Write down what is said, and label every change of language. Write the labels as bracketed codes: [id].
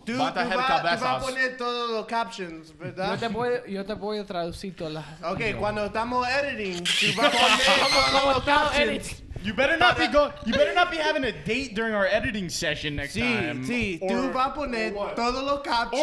[es] Tú vas a poner todos los captions, ¿verdad? Yo te voy a traducir todas las... Okay, cuando estamos editing, tú vas a poner todos los captions. [en] You better not be having a date during our editing session next time. [es] Sí, tú vas a poner todos los captions.